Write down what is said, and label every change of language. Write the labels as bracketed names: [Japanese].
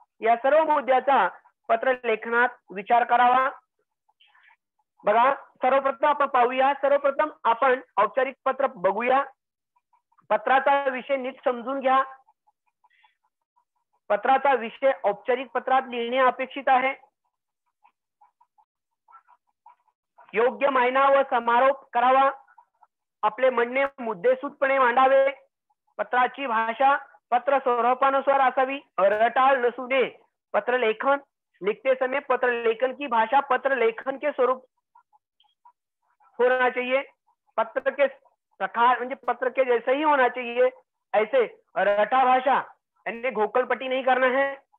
[Marathi] या सर्व मुद्द्याचा पत्र लेखनात विचार करावा। बघा सर्वप्रथम आपण पाहूया, सर्वप्रथम आपण औपचारिक पत्र बघूया। पत्राचा विषय नीट समजून घ्या। पत्राचा विषय औपचारिक पत्रात लिहिणे अपेक्षित आहे। योग्य मायना व समारोप करावा। आपले म्हणणे मुद्देसूदपणे मांडावे। पत्राची भाषा पत्र स्वरूपानुसार असावी, रटाळ नसू दे। [Hindi] पत्र लेखन लिखते समय पत्र लेखन की भाषा पत्र लेखन के स्वरूप होना चाहिए। पत्र के प्रकार पत्र के जैसे ही होना चाहिए, ऐसे रटा भाषा यानी घोकलपट्टी नहीं करना है।